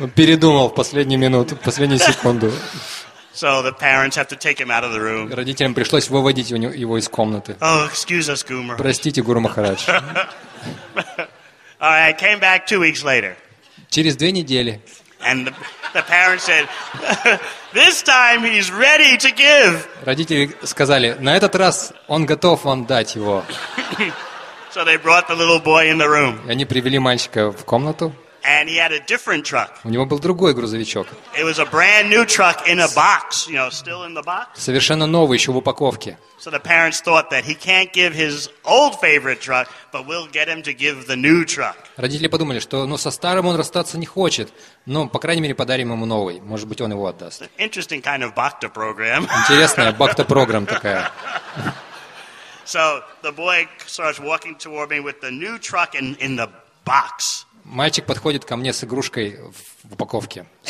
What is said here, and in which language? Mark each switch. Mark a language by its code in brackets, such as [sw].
[ru] Он передумал в последнюю минуту, в последнюю секунду. [en] So the parents have to take him out of the room. [ru] Родителям пришлось выводить его из комнаты. [en] Oh, excuse us, Guru Maharaj. [ru] Простите, Гуру Махарадж. [en] All right, I came back 2 weeks later. [ru] Через 2 недели. [en] And the parents said, "This time he's ready to give." [ru] Родители сказали: "На этот раз он готов вам дать его." [en] So they brought the little boy in the room. [ru] Они привели мальчика в комнату. [en] And he had a different truck. [ru] У него был другой грузовичок. [en] It was a brand new truck in a box, you know, still in the box. [ru] Совершенно новый, еще в упаковке. [en] So the parents thought that he can't give his old favorite truck, but we'll get him to give the new truck. [ru] Родители подумали, что, ну, со старым он расстаться не хочет, но по крайней мере подарим ему новый, может быть, он его отдаст. [en] Interesting kind of Bhakta program. [ru] Интересная Бхакта программа такая. [en] So the boy starts walking toward me with the new truck in the box. [ru] Мальчик подходит ко мне с игрушкой в упаковке.